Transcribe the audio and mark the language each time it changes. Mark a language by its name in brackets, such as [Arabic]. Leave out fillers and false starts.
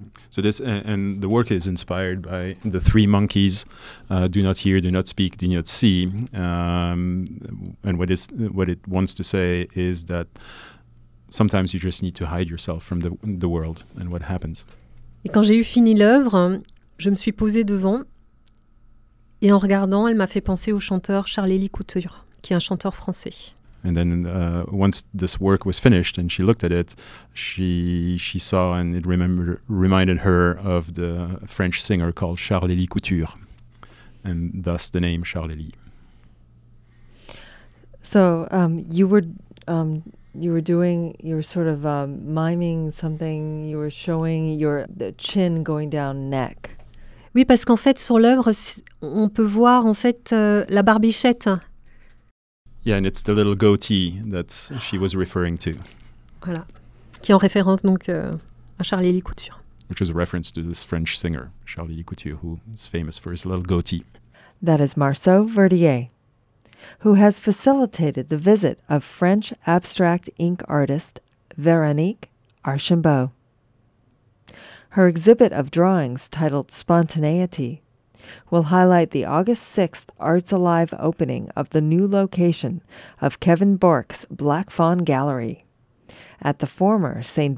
[English] So this and the work is inspired by the three monkeys, do not hear, do not speak, do not see. And what it wants to say is that sometimes you just need to hide yourself from the world and what happens. [French] Et quand j'ai eu fini l'œuvre, je me suis posée devant. Et en regardant, elle m'a fait penser au chanteur Charles-Élie Couture, qui est un chanteur français. [English] And then once this work was finished and she looked at it, she saw and it reminded her of the French singer called Charles-Élie Couture, and thus the name Charles-Élie. So you were miming something, you were showing the chin going down neck. [French] Oui, parce qu'en fait, sur l'œuvre, on peut voir en fait la barbichette. [English] Yeah, and it's the little goatee that she was referring to. [French] Voilà, qui est en référence donc à Charles-Élie Couture. [English] Which is a reference to this French singer, Charles-Élie Couture, who is famous for his little goatee. That is Marceau Verdier, who has facilitated the visit of French abstract ink artist Véronique Archambault. Her exhibit of drawings, titled Spontaneity, will highlight the August 6th Arts Alive opening of the new location of Kevin Bork's Black Fawn Gallery at the former St.